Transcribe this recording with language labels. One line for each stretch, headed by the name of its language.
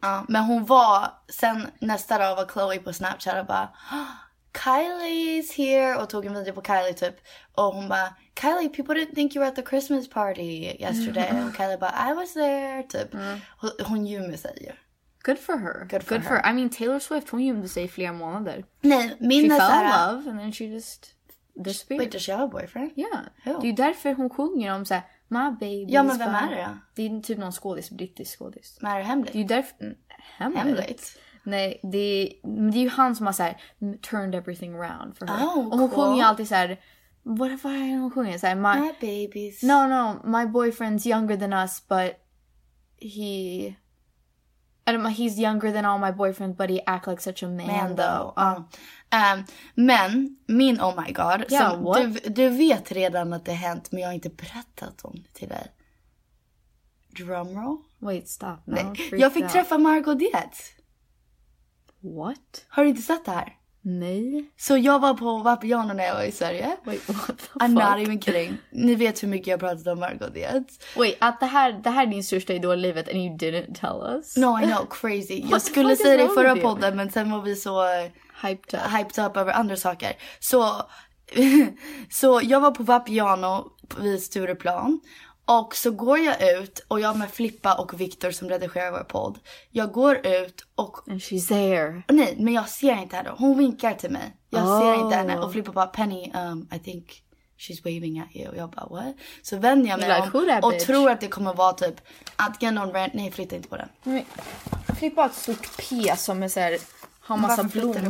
Swedish: Ja, men hon var sen nästa dag var Chloe på Snapchat och bara
English: Kylie's here,
Swedish: och tog en video på Kylie typ, och hon bara Kylie,
English: people didn't think you were at the Christmas party yesterday.
Swedish: Mm.
English: And Kylie bara, I was there, typ. Mm.
Swedish: Hon ljumde sig.
English: Good for her. Good for her. I mean,
Swedish: Taylor Swift, hon ljumde sig flera månader. Nej, min
English: she fell in love, and then she just disappeared. Wait, does she have a boyfriend? Yeah. Who?
Swedish: Det är därför hon sjunger om så här,
English: my baby.
Swedish: Ja, men vem är det? Det är typ någon skådis, brittisk skådis. Men är det Hamlet? Det är därför... Hamlet. Nej, det är ju han som har så här,
English: turned everything around for her. Oh, cool.
Swedish: Och hon sjunger ju alltid så här...
English: What if I don't sing it? Say my babies. No. My boyfriend's younger than us, but he. I don't know. He's younger than all my boyfriends, but he act like such a man though.
Swedish: Men min
English: oh my god. Yeah,
Swedish: så
English: what?
Swedish: Du vet redan att det hänt, men jag har inte berättat om det till dig.
English: Drumroll. Wait, stop. No,
Swedish: jag fick träffa Margot Dietz.
English: What?
Swedish: Har du inte sett det här? Nej. Så jag var på Vapiano när jag var i Sverige.
English: Wait, what the fuck? I'm not even kidding.
Swedish: Ni vet hur mycket jag pratat om Margot Dietz. Wait, att det här är din största idol i livet
English: and you didn't tell us? No, I know, crazy.
Swedish: Jag skulle säga det i förra podden, men sen var vi så...
English: Hyped up
Swedish: över andra saker. Så så jag var på Vapiano vid Stureplan. Och så går jag ut, och jag med Flippa och Victor som redigerar vår podd. Jag går ut och...
English: And she's there.
Swedish: Nej, men jag ser inte henne. Hon vinkar till mig. Jag ser inte henne. Och Flippa bara, Penny,
English: I think she's waving at you.
Swedish: Och jag bara, what? Så vänder jag mig
English: like,
Swedish: om och tror att det kommer vara typ... Att get on rent. Nej, flytta inte på den. Flippa har ett stort P som är så här, har massa blommor på den.